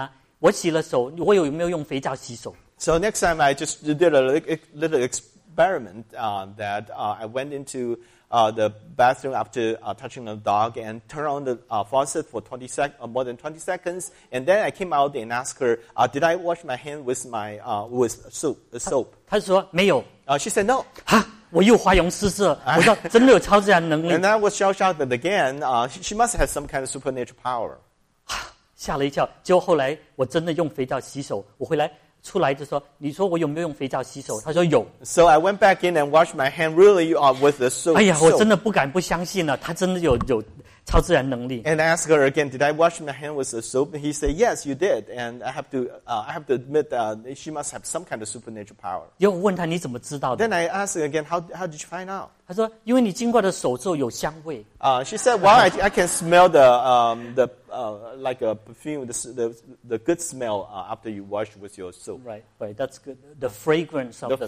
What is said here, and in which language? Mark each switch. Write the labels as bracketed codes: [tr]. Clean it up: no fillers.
[zh] 结果下一次我就开一个玩笑，我跟他就说，我就确定摸了狗之后，然后我进洗手间，我没有用肥皂洗手，我就开了自来水20秒，不让他知道有没有用肥皂，然后我出去问他，我洗了手，我有没有用肥皂洗手？ [en] So next time, I just did a little experiment that I went into the bathroom after touching the dog and turned on the faucet for more than 20 seconds. And then I came out and asked her, did I wash my hand with my soap? [zh] 她说没有。 [en] She said no. [zh] 我又花容失色，我说真的有超自然能力。 [en] And I was shell-shocked again. She must have some kind of supernatural power. [zh] 吓了一跳，结果后来我真的用肥皂洗手，我回来。出来就说，你说我有没有用肥皂洗手？他说有。So [en] I went back in and washed my hand really with the soap. [zh] 哎呀，我真的不敢不相信了，他真的有超自然能力。And [en] I asked her again, did I wash my hand with the soap? And he said, yes, you did. And I have to admit she must have some kind of supernatural power. [zh] 又问他你怎么知道的？Then [en] I asked again, how did you find out? [zh] 他说，因为你经过的手之后有香味。 [en] She said, well, I can smell the perfume, the good smell after you wash with your soap. Right, that's good. The fragrance of the soap.